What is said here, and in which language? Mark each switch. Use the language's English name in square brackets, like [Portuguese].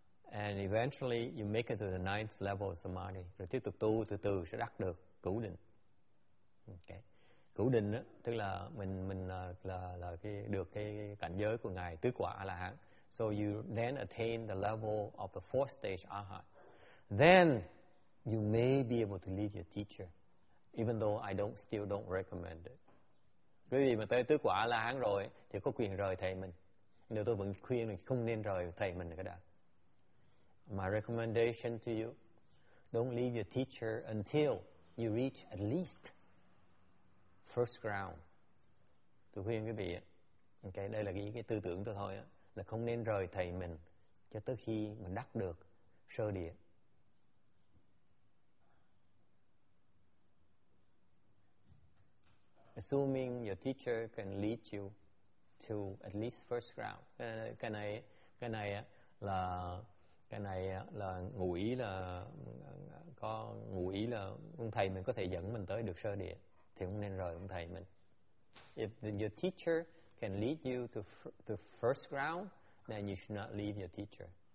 [English] And eventually you make it to the ninth level of samadhi. [Vietnamese] Rồi tiếp tục tu, từ từ sẽ đắc được cửu định. Okay. Cửu định đó, tức là mình là cái được cái cảnh giới của ngài tứ quả A La Hán. [English] So you then attain the level of the fourth stage arhat. Then you may be able to leave your teacher, even though I still don't recommend it. [Vietnamese] Quý vị mà tới tứ quả là hắn rồi thì có quyền rời thầy mình. Nếu tôi vẫn khuyên là không nên rời thầy mình cả đã. [English] My recommendation to you, don't leave your teacher until you reach at least first ground. [Vietnamese] Tôi khuyên quý vị, okay, đây là cái tư tưởng tôi thôi, là không nên rời thầy mình cho tới khi mình đắc được sơ địa. [English] Assuming your teacher can lead you to at least first ground. [Vietnamese] Cái này là ngụ ý là có ngụ ý là ông thầy mình có thể dẫn mình tới được sơ địa thì không nên rời ông thầy mình. [English] If your teacher can lead you to first ground, then you should not leave your teacher.